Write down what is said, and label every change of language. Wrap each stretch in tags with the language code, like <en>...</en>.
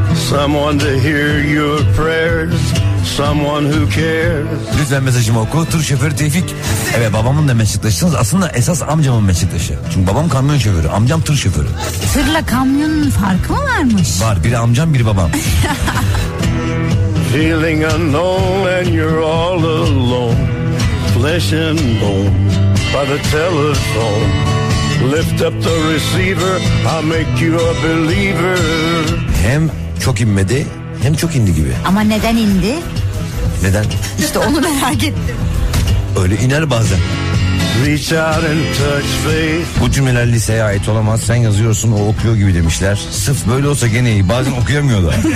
<en>Someone to hear your prayers. Someone who cares.</en> <tr>Lütfen mesajımı oku. Tır şoförü Tevfik. Evet, babamın da meslektaşısınız. Aslında esas amcamın meslektaşı. Çünkü babam kamyon şoförü, amcam tır şoförü. Tırla kamyonun farkı mı varmış? Var, biri amcam biri babam.</tr> <en>Feeling unknown and you're all alone. Flesh and bone by the telephone. Lift up the receiver. I'll make you a believer.</en> <tr>Hem çok inmedi, hem çok indi gibi. Ama neden indi? Neden? İşte onu merak ettim. Öyle iner bazen.</tr> <en>Reach out and touch faith.</en> <tr>Bu cümleler liseye ait olamaz. Sen yazıyorsun, o okuyor gibi demişler. Sırf böyle olsa gene iyi. Bazen okuyamıyordu.</tr>